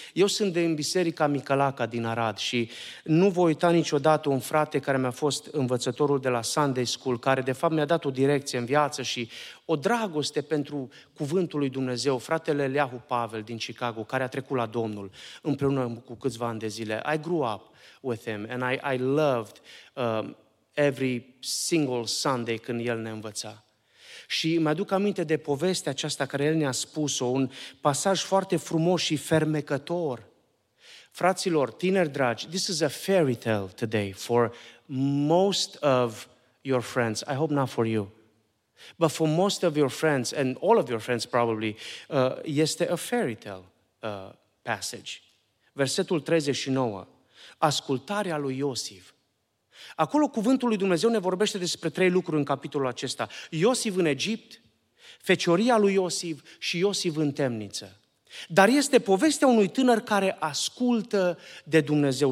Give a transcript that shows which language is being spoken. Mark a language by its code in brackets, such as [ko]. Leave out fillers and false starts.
[ro] Eu sunt din Biserica Micălaca din Arad și nu voi uita niciodată un frate care mi-a fost învățătorul de la Sunday School, care de fapt mi-a dat o direcție în viață și o dragoste pentru Cuvântul lui Dumnezeu, fratele Eliahu Pavel din Chicago, care a trecut la Domnul împreună cu câțiva ani de zile. [en] I grew up with him and I loved every single Sunday [ro] când el ne învăța. Și mi-aduc aminte de povestea aceasta care el ne-a spus-o, un pasaj foarte frumos și fermecător. Fraților, tineri dragi, [en] this is a fairy tale today for most of your friends. I hope not for you. But for most of your friends, and all of your friends probably, [ro] este [en] a fairy tale passage. [ro] Versetul 39, ascultarea lui Iosif. Acolo cuvântul lui Dumnezeu ne vorbește despre trei lucruri în capitolul acesta. Iosif în Egipt, fecioria lui Iosif și Iosif în temniță. Dar este povestea unui tânăr care ascultă de Dumnezeu.